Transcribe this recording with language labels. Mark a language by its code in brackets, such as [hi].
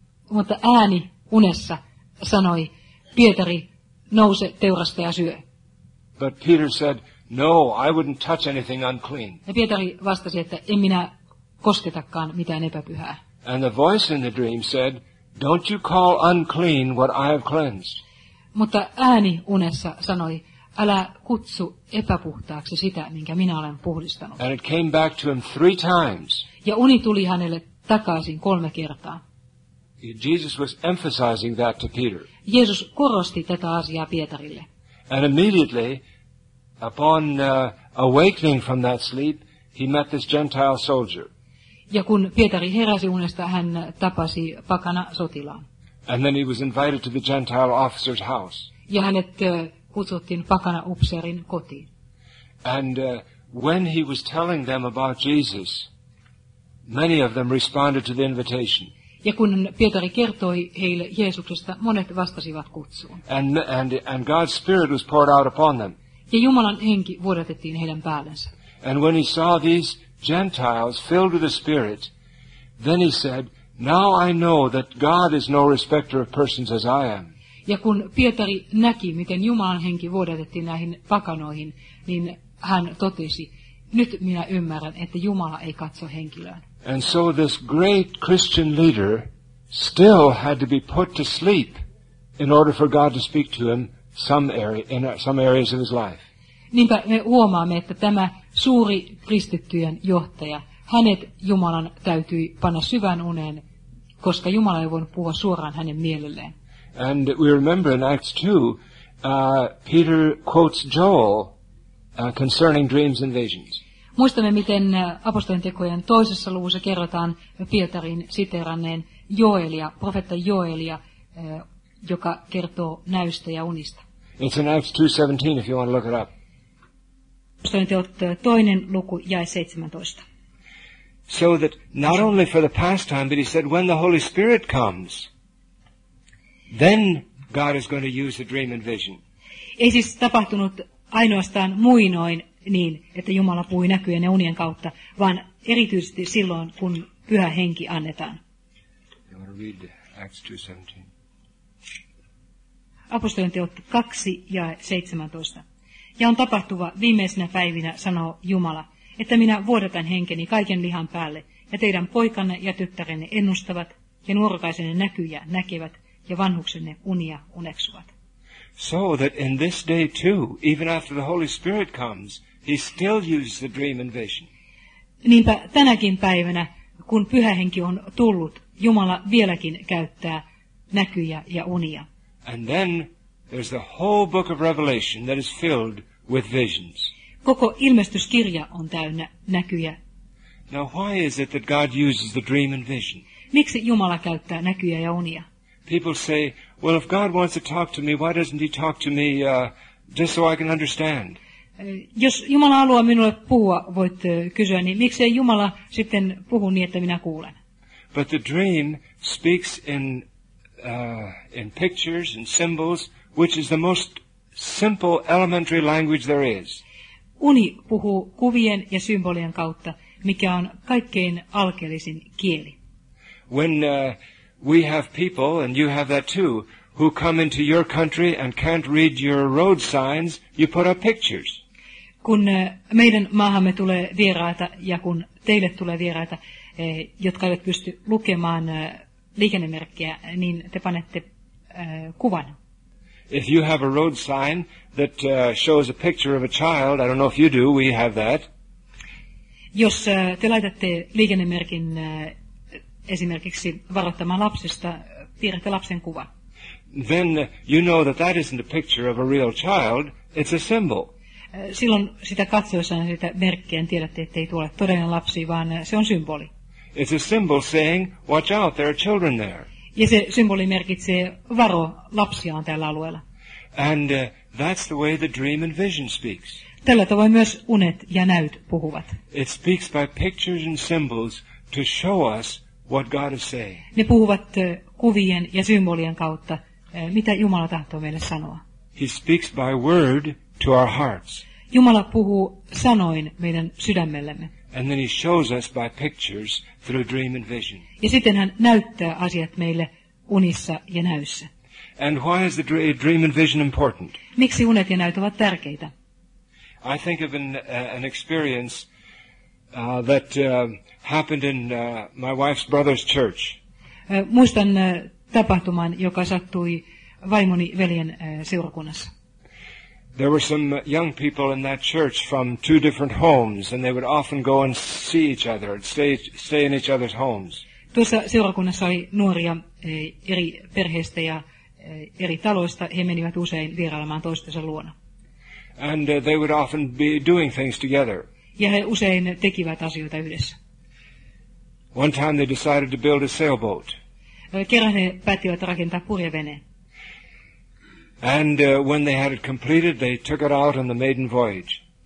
[fi] Mutta ääni unessa sanoi, Pietari, nouse, teurasta ja syö. [en] But Peter said, no, I wouldn't touch anything unclean. [fi] Ja Pietari vastasi, että en minä kosketakaan mitään epäpyhää. [en] And the voice in the dream said, don't you call unclean what I have cleansed. [fi] Mutta ääni unessa sanoi, älä kutsu epäpuhtaaksi sitä, minkä minä olen puhdistanut. [en] And it came back to him three times. [fi] Ja uni tuli hänelle takaisin kolme kertaa. [en] Jesus was emphasizing that to Peter. [fi] Jeesus korosti tätä asiaa Pietarille. [en] And immediately, upon awakening from that sleep, he met this Gentile soldier. [fi] Ja kun Pietari heräsi unesta, hän tapasi pakana sotilaan. [en] And then he was invited to the Gentile officer's house. [fi] Ja hänet kutsuttiin pakana upseerin kotiin. [en] And when he was telling them about Jesus, many of them responded to the invitation. [fi] Ja kun Pietari kertoi heille Jeesuksesta, monet vastasivat kutsuun. [en] And God's spirit was poured out upon them. [fi] Ja Jumalan henki vuodatettiin heidän päällensä. [en] And when he saw these Gentiles filled with the Spirit, then he said, now I know that God is no respecter of persons as I am. [fi] Ja kun Pietari näki, miten Jumalan henki vuodatettiin näihin pakanoihin, niin hän totesi, nyt minä ymmärrän, että Jumala ei katso henkilöön. [en] And so this great Christian leader still had to be put to sleep in order for God to speak to him in some areas of his life. [fi] Niinpä me huomaamme, että tämä suuri kristittyjen johtaja, hänet Jumalan täytyi panna syvään uneen, koska Jumala ei voinut puhua suoraan hänen mielelleen. [en] And we remember in Acts 2, Peter quotes Joel concerning dreams and visions. [fi] Muistamme, miten apostolien tekojen toisessa luvussa kerrotaan Pietarin siteeranneen Joelia, profetta Joelia, joka kertoo näystä ja unista. [en] It's in Acts 2:17, if you want to look it up. [fi] Apostolien teot toinen luku, jae 17. [en] So that not only for the past time, but he said when the Holy Spirit comes, then God is going to use the dream and vision. [fi] Ei siis tapahtunut ainoastaan muinoin niin, että Jumala puhui näkyjen ja unien kautta, vaan erityisesti silloin, kun pyhä henki annetaan. [en] You want to read Acts 2:17. [fi] Apostolien teot 2 ja 17. Ja on tapahtuva viimeisenä päivinä, sanoo Jumala, että minä vuodatan henkeni kaiken lihan päälle, ja teidän poikanne ja tyttärenne ennustavat, ja nuorukaisenne näkyjä näkevät, ja vanhuksenne unia uneksuvat. [en] So that in this day too, even after the Holy Spirit comes, he still uses the dream and vision. [fi] Niinpä tänäkin päivänä, kun pyhä henki on tullut, Jumala vieläkin käyttää näkyjä ja unia. [en] And then there's the whole book of Revelation that is filled with visions. [fi] Koko ilmestyskirja on täynnä näkyjä. [en] Now why is it that God uses the dream and vision? [fi] Miksi Jumala käyttää näkyjä ja unia? [en] People say, well, if God wants to talk to me, why doesn't he talk to me just so I can understand? [fi] Jos Jumala haluaa minulle puhua, voit kysyä, niin miksei Jumala sitten puhu niin, että minä kuulen? [en] But the dream speaks in pictures and symbols, which is the most simple elementary language there is. [fi] Uni puhuu kuvien ja symbolien kautta, mikä on kaikkein alkeellisin kieli. [en] When we have people, and you have that too, who come into your country and can't read your road signs, you put up pictures. [fi] Kun meidän maahamme tulee vieraita, ja kun teille tulee vieraita, jotka eivät pysty lukemaan liikennemerkkiä, niin te panette kuvan. [en] If you have a road sign that shows a picture of a child, I don't know if you do, we have that. [fi] Jos te laitatte liikennemerkin esimerkiksi varoittamaan lapsesta, piirrätte lapsen kuva. [en] Then you know that that isn't a picture of a real child, it's a symbol. [fi] Silloin sitä katsoessaan sitä merkkiä tiedätte, että ei tule todellinen lapsi, vaan se on symboli. [en] It's a symbol saying, watch out, there are children there. [fi] Ja se symboli merkitsee, varo, lapsia on tällä alueella. [en] And that's the way the dream and vision speaks. [fi] Tällä tavoin myös unet ja näyt puhuvat. [en] It speaks by pictures and symbols to show us what God is saying. [fi] Ne puhuvat kuvien ja symbolien kautta, mitä Jumala tahtoo meille sanoa. [en] He speaks by word to our hearts. [fi] Jumala puhuu sanoin meidän sydämellemme. [en] And then he shows us by pictures through dream and vision. [fi] Ja sitten hän näyttää asiat meille unissa ja näyssä. [en] And why is the dream and vision important? [fi] Miksi unet ja näyt ovat tärkeitä? [en] I think of an experience that happened in my wife's brother's church. [fi] Muistan tapahtuman, joka sattui vaimoni veljen seurakunnassa. [en] There were some young people in that church from two different homes, and they would often go and see each other and stay in each other's homes. [fi] Tuossa seurakunnassa oli nuoria eri perheistä ja eri taloista. He menivät usein vierailemaan toistensa luona. [en] And they would often be doing things together. [fi] Ja he usein tekivät asioita yhdessä. [en] One time they decided to build a sailboat. [fi] Kerran he päättivät rakentaa purjeveneen. [en] And when they had it completed, they took it out on the maiden voyage.